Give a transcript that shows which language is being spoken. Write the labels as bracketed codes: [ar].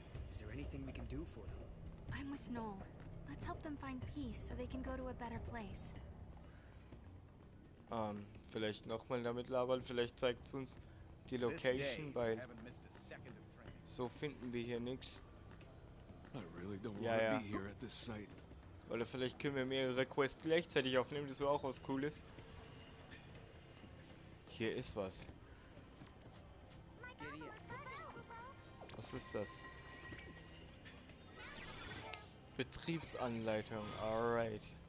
[en] Is there anything we can do for them? I'm with Noel. Let's help them find peace, so they can go to a better place. [de] Vielleicht nochmal damit labern. Vielleicht zeigt es uns die Location, weil so finden wir hier nichts. [en] I really don't want to be here at this site. [de] Oder vielleicht können wir mehrere Quests gleichzeitig aufnehmen, das wäre auch was Cooles. Hier ist was. Was ist das? Betriebsanleitung. Alright.